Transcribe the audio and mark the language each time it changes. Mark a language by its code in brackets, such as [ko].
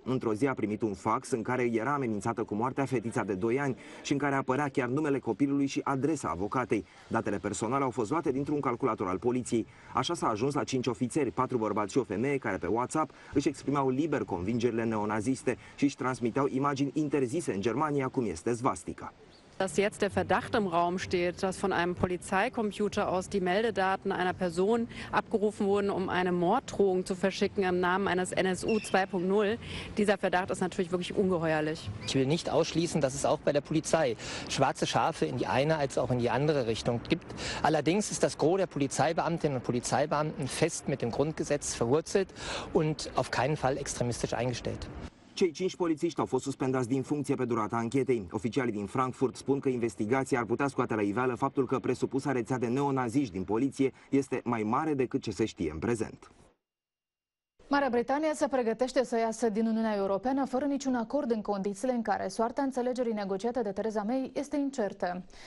[ro] Într-o zi a primit un fax în care era amenințată cu moartea fetița de 2 ani și în care apărea chiar numele copilului și adresa avocatei. Datele personale au fost luate dintr-un calculator al poliției. Așa s-a ajuns la 5 ofițeri, 4 bărbați și o femeie, care pe WhatsApp își exprimau liber convingerile neonaziste și își transmiteau imagini interzise în Germania, cum este svastica. [de] Dass jetzt der Verdacht im Raum steht, dass von einem Polizeicomputer aus die Meldedaten einer Person abgerufen wurden, um eine Morddrohung zu verschicken im Namen eines NSU 2.0. Dieser Verdacht ist natürlich wirklich ungeheuerlich. Ich will nicht ausschließen, dass es auch bei der Polizei schwarze Schafe in die eine als auch in die andere Richtung gibt. Allerdings ist das Gros der Polizeibeamtinnen und Polizeibeamten fest mit dem Grundgesetz verwurzelt und auf keinen Fall extremistisch eingestellt. [ro] Cei 5 polițiști au fost suspendați din funcție pe durata anchetei. Oficialii din Frankfurt spun că investigația ar putea scoate la iveală faptul că presupusa rețea de neonaziști din poliție este mai mare decât ce se știe în prezent. Marea Britanie se pregătește să iasă din Uniunea Europeană fără niciun acord, în condițiile în care soarta înțelegerii negociate de Theresa May este incertă.